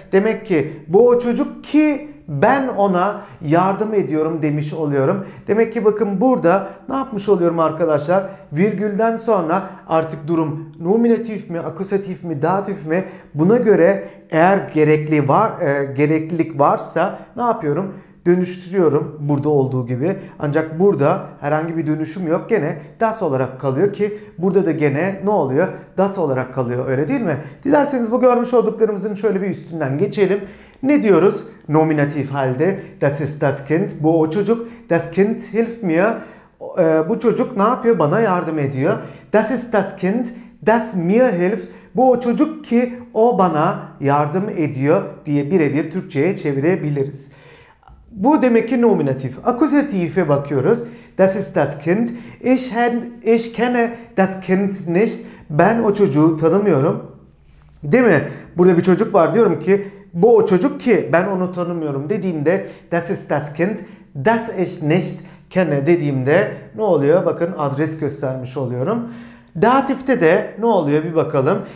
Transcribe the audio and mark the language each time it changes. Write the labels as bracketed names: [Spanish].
[Turkish] Demek ki bu o çocuk ki ben ona yardım ediyorum demiş oluyorum. Demek ki bakın burada ne yapmış oluyorum arkadaşlar? Virgülden sonra artık durum nominatif mi, akusatif mi, datif mi? Buna göre eğer gereklilik varsa ne yapıyorum? Dönüştürüyorum burada olduğu gibi. Ancak burada herhangi bir dönüşüm yok. Gene das olarak kalıyor ki burada da gene ne oluyor? Das olarak kalıyor öyle değil mi? Dilerseniz bu görmüş olduklarımızın şöyle bir üstünden geçelim. Ne diyoruz? Nominatif halde [German] das ist das Kind. [Turkish] Bu o çocuk. [German] Das Kind hilft mir. [Turkish] Bu çocuk ne yapıyor? Bana yardım ediyor. [German] Das ist das Kind. Das mir hilft. [Turkish] Bu o çocuk ki o bana yardım ediyor diye birebir Türkçe'ye çevirebiliriz. Bu demek ki nominatif. Akusatife bakıyoruz. [German] Das ist das Kind. Ich kenne das Kind nicht. [Turkish] Ben o çocuğu tanımıyorum. Değil mi? Burada bir çocuk var diyorum ki bu o çocuk ki ben onu tanımıyorum dediğimde [German] das ist das Kind, das ich nicht kenne [Turkish] dediğimde ne oluyor? Bakın adres göstermiş oluyorum. Datif'te de ne oluyor bir bakalım.